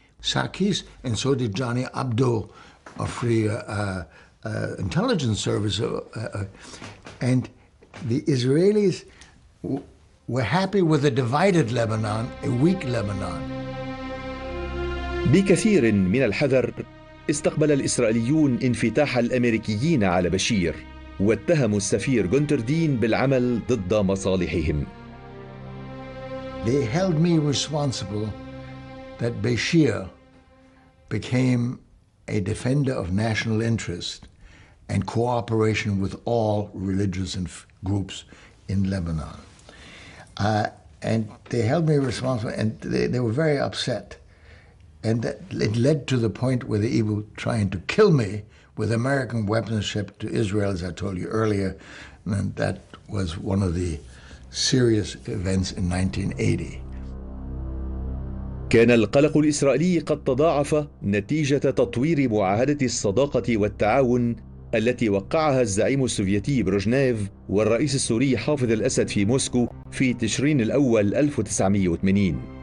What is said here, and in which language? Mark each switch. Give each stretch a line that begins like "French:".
English: Sarkis, and so did Johnny Abdo of the intelligence service. And the Israelis were happy with a divided Lebanon, a weak Lebanon.
Arabic: بكثير من الحذر استقبل الإسرائيليون انفتاح الأمريكيين على بشير، واتهموا السفير جونتر دين بالعمل ضد مصالحهم.
English: They held me responsible that Bashir became a defender of national interest and cooperation with all religious and groups in Lebanon. And they held me responsible, and they were very upset. And that it led to the point where they were trying to kill me with American weapons shipped to Israel, as I told you earlier. And that was one of the serious events in 1980.
Arabic: كان القلق الإسرائيلي قد تضاعف نتيجة تطوير معاهدة الصداقة والتعاون التي وقعها الزعيم السوفيتي بروجنيف والرئيس السوري حافظ الأسد في موسكو في تشرين الأول 1980.